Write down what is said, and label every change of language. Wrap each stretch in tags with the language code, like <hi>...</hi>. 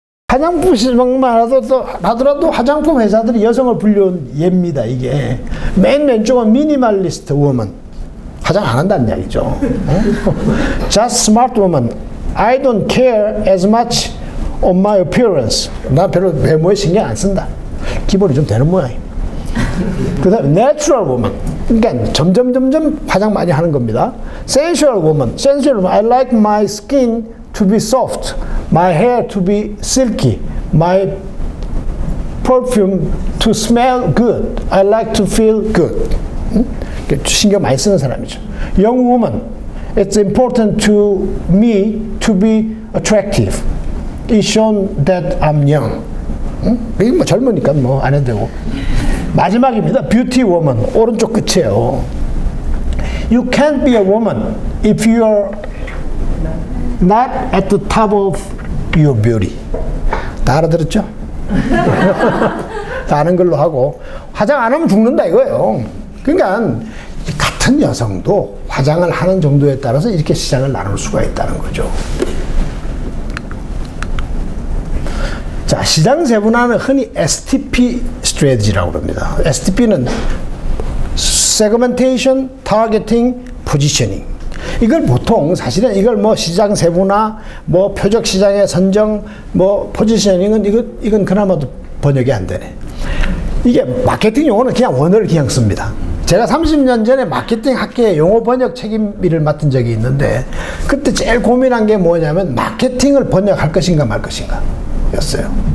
<ko>화장품만 하더라도 화장품 회사들이 여성을 불려온 예입니다. 이게 맨 왼쪽은 미니멀리스트 워먼, 화장 안 한다는 이야기죠.</ko> <en>Just smart woman. I don't care as much on my appearance.</en> <ko>나 별로 외모에 신경 안 쓴다. 기본이 좀 되는 모양입니다. 그 다음 natural woman. 그러니까 점점 화장 많이 하는 겁니다.</ko> <en>Sensual woman. Sensual woman. I like my skin to be soft, my hair to be silky, my perfume to smell good, I like to feel good.</en> <ko>신경 많이 쓰는 사람이죠.</ko> <en>Young woman, it's important to me to be attractive. It's shown that I'm young.</en> <ko>이게 뭐 젊으니까 뭐 안 해도 되고. 마지막입니다.</ko> <en>Beauty woman,</en> <ko>오른쪽 끝이에요.</ko> <en>You can't be a woman if you're not at the top of your beauty.</en> <ko>다 알아들었죠? 다 아는 걸로 하고. 화장 안 하면 죽는다 이거예요. 그러니까 같은 여성도 화장을 하는 정도에 따라서 이렇게 시장을 나눌 수가 있다는 거죠. 자, 시장 세분화는 흔히 STP 스트레티지라고 합니다.</ko> <en>STP는 Segmentation, Targeting, Positioning.</en> <ko>이걸 보통 사실은 이걸 뭐 시장 세분화, 뭐 표적 시장의 선정, 뭐 포지셔닝은 이건 그나마도 번역이 안 되네. 이게 마케팅 용어는 그냥 원어를 그냥 씁니다. 제가 30년 전에 마케팅 학계의 용어 번역 책임을 맡은 적이 있는데 그때 제일 고민한 게 뭐냐면 마케팅을 번역할 것인가 말 것인가 였어요.</ko>